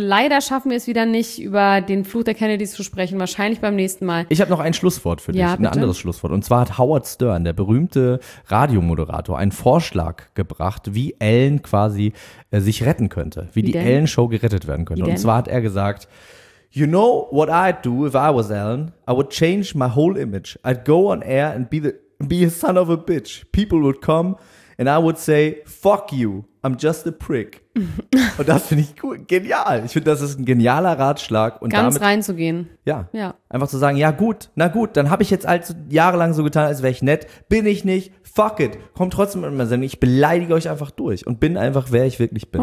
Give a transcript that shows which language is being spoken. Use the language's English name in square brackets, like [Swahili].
[German] Leider schaffen wir es wieder nicht, über den Fluch der Kennedys zu sprechen. Wahrscheinlich beim nächsten Mal. Ich habe noch ein Schlusswort für dich. Ja, bitte. Ein anderes Schlusswort. Und zwar hat Howard Stern, der berühmte Radiomoderator, einen Vorschlag gebracht, wie Ellen quasi sich retten könnte. Wie die Ellen-Show gerettet werden könnte. Und zwar hat er gesagt, [English] you know what I'd do if I was Ellen? I would change my whole image. I'd go on air and be a son of a bitch. People would come and I would say, fuck you. I'm just a prick. [German] Und das finde ich cool. Genial. Ich finde, das ist ein genialer Ratschlag. Und ganz damit, reinzugehen. Ja. Ja. Einfach zu sagen, ja gut, na gut, dann habe ich jetzt also jahrelang so getan, als wäre ich nett. Bin ich nicht. [English] Fuck it. [German] Kommt trotzdem mit meiner Sendung. Ich beleidige euch einfach durch und bin einfach, wer ich wirklich bin.